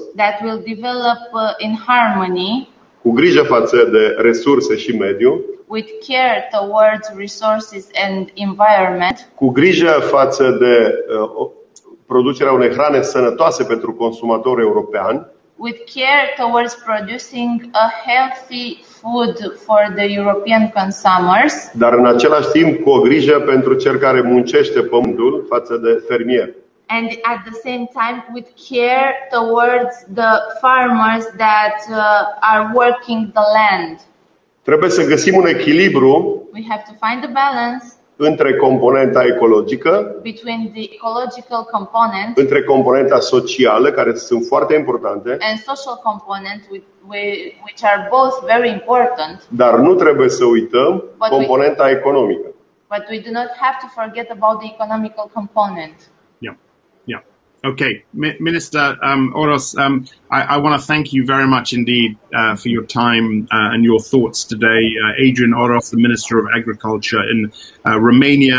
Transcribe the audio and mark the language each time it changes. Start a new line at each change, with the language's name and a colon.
English: that will develop in harmony,
Romanian: cu grijă față de resurse și mediu,
English: with care towards resources and environment,
Romanian: cu grijă față de producerea unei hrane sănătoase pentru consumatorul european,
English: with care towards producing a healthy food for the European consumers,
Romanian: dar în același timp cu o grijă pentru cel care muncește pământul față de fermier,
English: and at the same time with care towards the farmers that are working the land.
Romanian: Trebuie să găsim un echilibru,
English: we have to find a balance,
Romanian: între componenta ecologică,
English: between the ecological component,
Romanian: între componenta socială, care sunt foarte importante,
English: and social component, which are both very important,
Romanian: dar nu trebuie să uităm componenta economică.
English: But we do not have to forget about the economical component. Yeah. Okay, Minister Oros, I want to thank you very much indeed for your time and your thoughts today. Adrian Oros, the Minister of Agriculture in Romania.